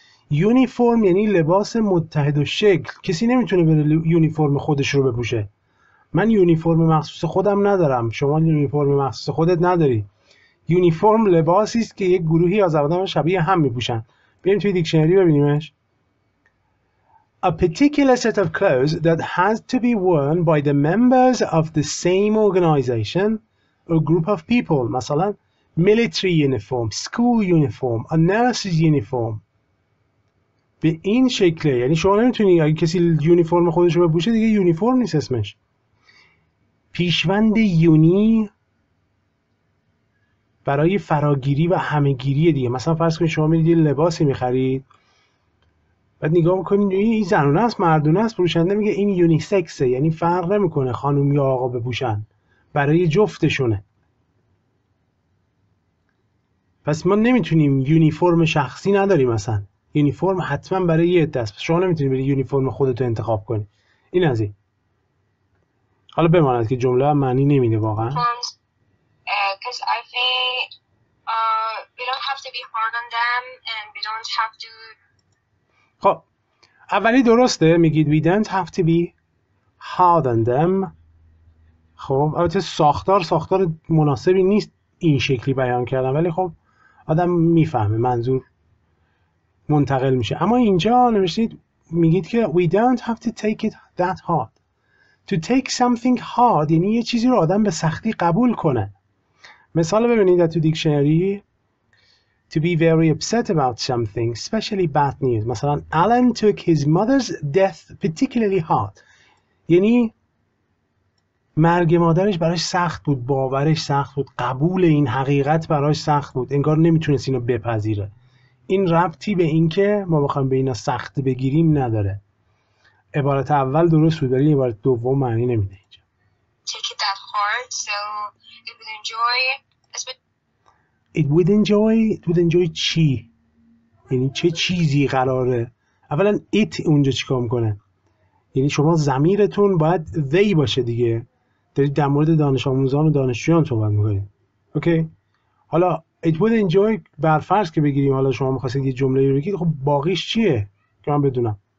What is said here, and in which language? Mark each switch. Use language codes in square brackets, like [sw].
[fa] یونیفرم یعنی لباس متحد و شکل. کسی نمیتونه بره یونیفرم خودش رو بپوشه. من یونیفرم مخصوص خودم ندارم. شما یونیفرم مخصوص خودت نداری. یونیفرم لباسی است که یک گروهی از آدم شبیه هم میپوشن. بریم توی دیکشنری ببینیمش. [en] A particular set of clothes that has to be worn by the members of the same organization or group of people. [fa] مثلا [en] military uniform, school uniform, a nurse's uniform. [fa] به این شکله. یعنی شما نمیتونی اگه کسی یونیفرم خودش رو بپوشه دیگه یونیفرم نیست اسمش. پیشوند یونی برای فراگیری و همگیری دیگه. مثلا فرض کنید شما میرید یه لباسی میخرید بعد نگاه میکنید این زنونه است مردونه است، فروشنده میگه این یونیسکسه، یعنی فرق نمیکنه خانم یا آقا بپوشن، برای جفتشونه. پس ما نمیتونیم یونیفرم شخصی نداریم. مثلا یونیفرم حتما برای یه عده است. شما نمیتونید برید یونیفرم خودتو انتخاب کنید. این از این. حالا بماند که جمله معنی نمیده واقعا. [en] Because I think we don't have to be hard on them and we don't have to. [fa] خب اولی درسته، میگید [en] we don't have to be hard on them. [fa] خب البته ساختار مناسبی نیست این شکلی بیان کردم، ولی خب آدم میفهمه منظور منتقل میشه. اما اینجا نوشتید میگید که [en] we don't have to take it that hard. To take something hard [fa] یعنی یه چیزی رو آدم به سختی قبول کنه. مثال ببینید در تو دیکشنری. [en] To be very upset about something, especially bad news. [fa] مثلا [en] Alan took his mother's death particularly hard. [fa] یعنی مرگ مادرش براش سخت بود، باورش سخت بود، قبول این حقیقت براش سخت بود، انگار نمیتونست اینو بپذیره. این ربطی به این که ما بخوایم به اینا سخت بگیریم نداره. عبارت اول درست بود ولی عبارت دوم معنی نمیده اینجا. [en] Take it that hard, so it would enjoy. It would enjoy. [fa] It would enjoy چی؟ یعنی چه چیزی قراره؟ اولا it اونجا چیکار میکنه؟ یعنی شما ضمیرتون باید they باشه دیگه. دارید در مورد دانش آموزان و دانشجویان صحبت میکنید. اوکی؟ حالا [en] it would enjoy [fa] برفرض که بگیریم حالا شما میخواستید یه جمله رو بگید، خب باقیش چیه؟ که من بدونم.